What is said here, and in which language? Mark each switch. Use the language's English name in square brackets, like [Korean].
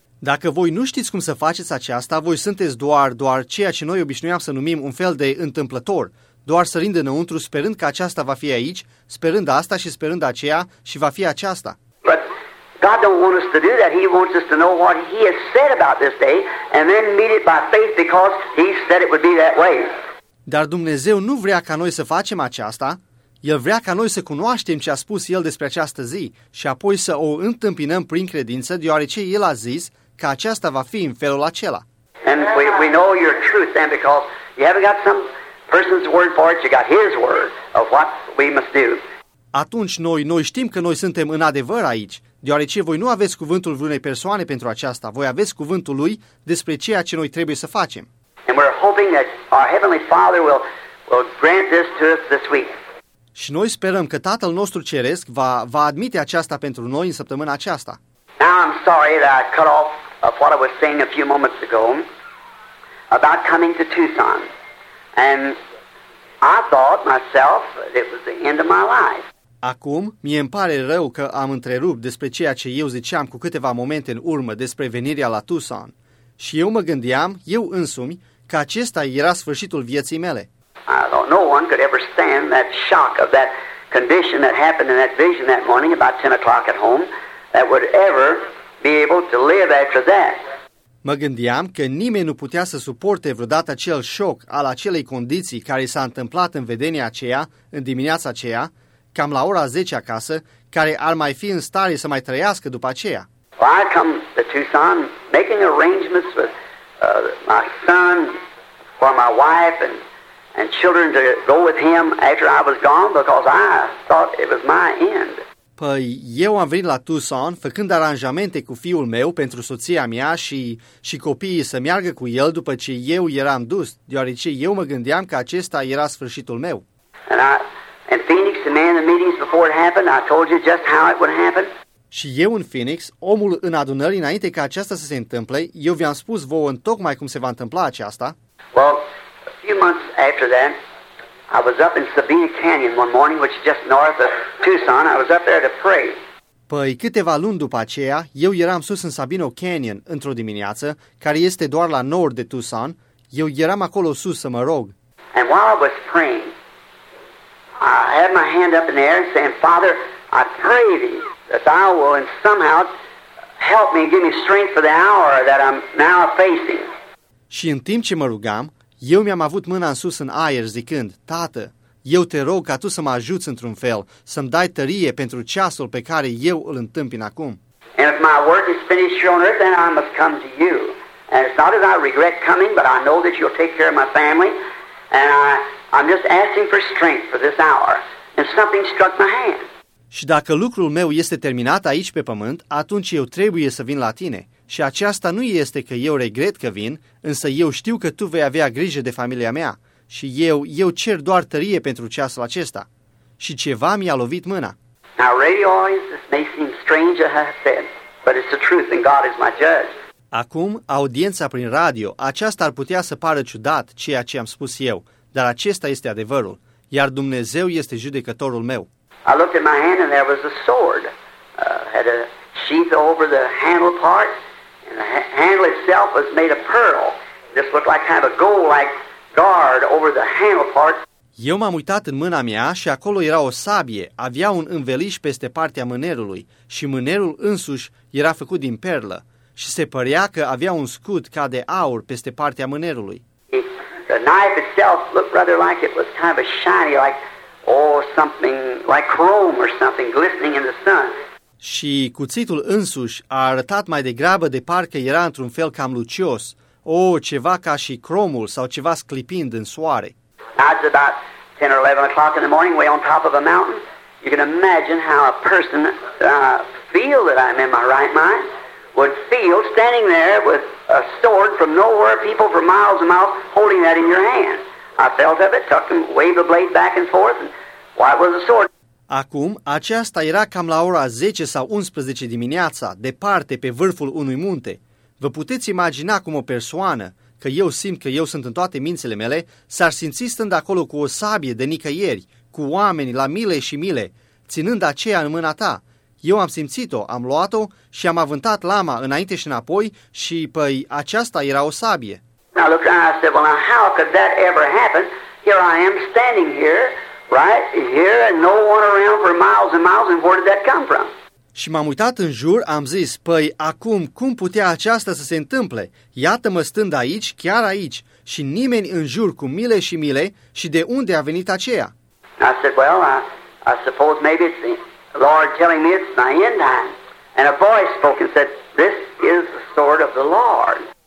[Romanian] Dacă voi nu știți cum să faceți aceasta, voi sunteți doar ceea ce noi obișnuiam să numim un fel de întâmplător, doar sărind înăuntru, sperând că aceasta va fi aici, sperând asta și sperând aceea și va fi aceasta. [English] But God don't want us to do that. He wants us to know what he has said about this day and then meet it by faith because he said it would be that way. [Romanian] Dar Dumnezeu nu vrea ca noi să facem aceasta. El vrea ca noi să cunoaștem ce a spus El despre această zi și apoi să o întâmpinăm prin credință, deoarece El a zis că aceasta va fi în felul acela. [English] And we know your truth then because you haven't got some person's word for it, you got his word of what we must do. [Romanian] Atunci noi știm că noi suntem în adevăr aici, deoarece voi nu aveți cuvântul vreunei persoane pentru aceasta, voi aveți cuvântul Lui despre ceea ce noi trebuie să facem. [English] And we're hoping that our Heavenly Father will grant this to us this week. [Romanian] Și noi sperăm că Tatăl nostru Ceresc va admite aceasta pentru noi în săptămâna aceasta. [English] Now I'm sorry that I cut off of what I was saying a few moments ago about coming to Tucson. And I thought myself that it was the end of my life. [Romanian] Acum, mie îmi pare rău că am întrerupt despre ceea ce eu ziceam cu câteva momente în urmă despre venirea la Tucson. Și eu mă gândeam, eu însumi, că acesta era sfârșitul vieții mele. [English] No one could ever stand that shock of that condition that happened in that vision that morning about 10 o'clock at home that would ever be able to live after that. [Romanian] Mă gândeam că nimeni nu putea să suporte vreodată acel șoc al acelei condiții care s-a întâmplat în vedenia aceea, în dimineața aceea, cam la ora 10 acasă, care ar mai fi în stare să mai trăiască după aceea. [English] Well, I come to Tucson making arrangements with my son for my wife and children to go with him after I was gone because I thought it was my end. [Romanian] Păi, eu am venit la Tucson făcând aranjamente cu fiul meu pentru soția mea și copiii să meargă cu el după ce eu eram dus, deoarece eu mă gândeam că acesta era sfârșitul meu. [English] In Phoenix, the man in the meetings before it happened, I told you just how it would happen. [Romanian] Și eu în Phoenix, omul în adunări înainte ca aceasta să se întâmple, eu vi-am spus vouă în tocmai cum se va întâmpla aceasta. [English] Well, a few months after that, I was up in Sabina Canyon one morning, which is just north of Tucson. I was up there to pray. [Romanian] Păi, câteva luni după aceea, eu eram sus în Sabino Canyon într-o dimineață, care este doar la nord de Tucson. Eu eram acolo sus să mă rog. [English] And while I was praying, I had my hand up in the air and saying, Father, I pray thee that thou will in somehow help me, give me strength for the hour that I'm now facing. [Romanian] Și în timp ce mă rugam, eu mi-am avut mâna în sus în aer zicând, Tată, eu te rog ca tu să mă ajuți într-un fel, să-mi dai tărie pentru ceasul pe care eu îl întâmpin acum. [English] And if my work is finished here on earth, then I must come to you. And it's not as I regret coming, but I know that you'll take care of my family. And I'm just asking for strength for this hour. And something struck my hand. [Romanian] Și dacă lucrul meu este terminat aici pe pământ, atunci eu trebuie să vin la tine. Și aceasta nu este că eu regret că vin, însă eu știu că tu vei avea grijă de familia mea. Și eu cer doar tărie pentru ceasul acesta. Și ceva mi-a lovit mâna. [English] Now, radio may seem strange, as I said, but it's the truth and God is my judge. [Romanian] Acum, audiența prin radio, aceasta ar putea să pară ciudat ceea ce am spus eu, dar acesta este adevărul, iar Dumnezeu este judecătorul meu. [English] I looked at my hand and there was a sword. Had a sheath over the handle part and the handle itself was made of pearl. This looked like kind of a gold-like guard over the handle part. [Romanian] Eu m-am uitat în mâna mea și acolo era o sabie, avea un înveliș peste partea mânerului și mânerul însuși era făcut din perlă și se părea că avea un scut ca de aur peste partea mânerului. [English] The knife itself looked rather like it was kind of a shiny, like something like chrome or something glistening in the sun. [Romanian] Și cuțitul însuși a arătat mai degrabă de parcă era într-un fel cam lucios, ceva ca și cromul sau ceva sclipind în soare. [English] It's about 10 or 11 o'clock in the morning, way on top of a mountain. You can imagine how a person feel that I'm in my right mind would feel standing there with a sword from nowhere, people from miles and miles holding that in your hand. I felt of it, took and waved the blade back and forth, and why was the sword? [Romanian] Acum, aceasta era cam la ora 10 sau 11 dimineața, departe, pe vârful unui munte. Vă puteți imagina cum o persoană, că eu simt că eu sunt în toate mințile mele, s-ar simți stând acolo cu o sabie de nicăieri, cu oameni la mile și mile, ținând aceea în mâna ta. Eu am simțit-o, am luat-o și am avântat lama înainte și înapoi și, păi, aceasta era o sabie. [English] Now look, I said, well, now how could that ever happen? Here I am standing here. Right here and no one around for miles and miles, and where did that come from? [Romanian] Și m-am uitat în jur, am zis, păi acum cum putea aceasta să se întâmple? Iată-mă stând aici, chiar aici, și nimeni în jur cu mile și mile, și de unde a venit aceea? [English] I said, well, I suppose maybe it's the Lord telling me it's my end time. And a voice spoke and said, this is the sword of the Lord.